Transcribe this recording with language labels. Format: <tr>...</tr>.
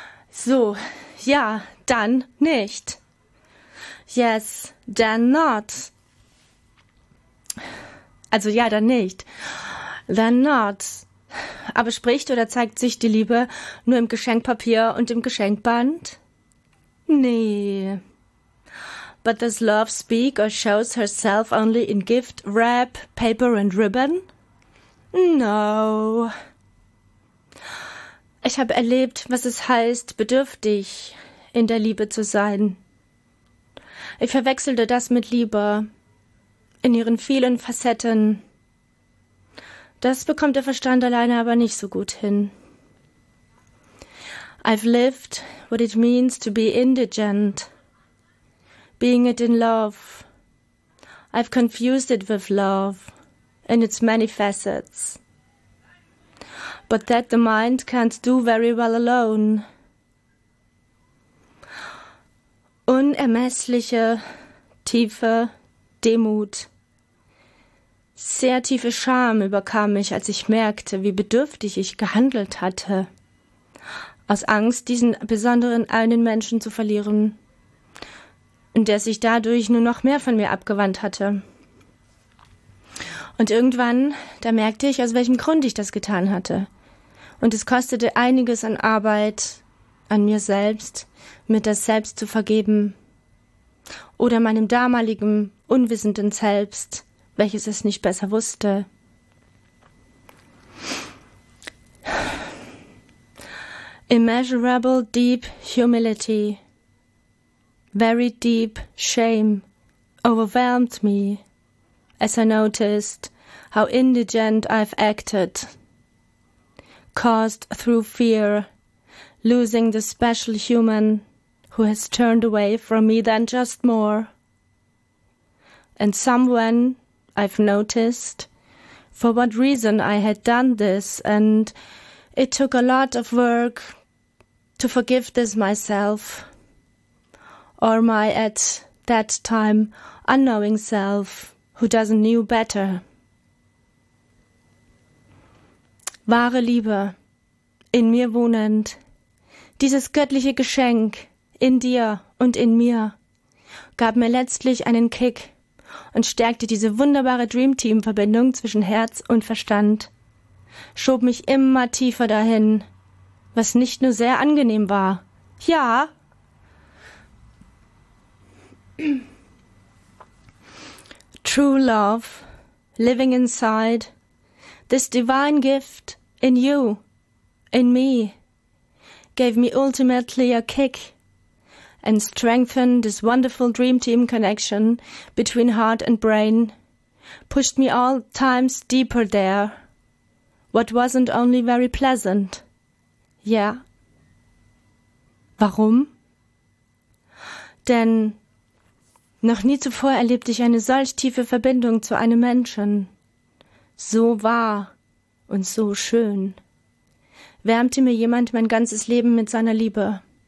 <de>So, ja, dann nicht.</de> <en>Yes, then not.</en> <de>Also ja, dann nicht.</de> <en>Then not.</en> <de>Aber spricht oder zeigt sich die Liebe nur im Geschenkpapier und im Geschenkband? Nee.</de> <en>But does love speak or shows herself only in gift, wrap, paper and ribbon? No.</en> <de>Ich habe erlebt, was es heißt, bedürftig in der Liebe zu sein. Ich verwechselte das mit Liebe in ihren vielen Facetten. Das bekommt der Verstand alleine aber nicht so gut hin.</de> <en>I've lived what it means to be indigent, being it in love. I've confused it with love in its many facets. But that the mind can't do very well alone.</en> <de>Unermessliche, tiefe Demut. Sehr tiefe Scham überkam mich, als ich merkte, wie bedürftig ich gehandelt hatte. Aus Angst, diesen besonderen einen Menschen zu verlieren. Und der sich dadurch nur noch mehr von mir abgewandt hatte. Und irgendwann, da merkte ich, aus welchem Grund ich das getan hatte. Und es kostete einiges an Arbeit, an mir selbst, mir das selbst zu vergeben. Oder meinem damaligen, unwissenden Selbst, welches es nicht besser wusste.</de> <en>Immeasurable deep humility. Very deep shame overwhelmed me, as I noticed how indigent I've acted. Caused through fear, losing the special human who has turned away from me than just more. And someone, I've noticed, for what reason I had done this, and it took a lot of work to forgive this myself, or my at that time unknowing self who doesn't knew better.</en> <de>Wahre Liebe, in mir wohnend, dieses göttliche Geschenk in dir und in mir, gab mir letztlich einen Kick und stärkte diese wunderbare Dreamteam-Verbindung zwischen Herz und Verstand, schob mich immer tiefer dahin, was nicht nur sehr angenehm war.</de> <en>Ja, true love, living inside, this divine gift in you, in me, gave me ultimately a kick and strengthened this wonderful dream team connection between heart and brain, pushed me all times deeper there, what wasn't only very pleasant.</en> <de>Yeah. Warum? Denn noch nie zuvor erlebte ich eine solch tiefe Verbindung zu einem Menschen. So wahr. Und so schön wärmte mir jemand mein ganzes Leben mit seiner Liebe.</de>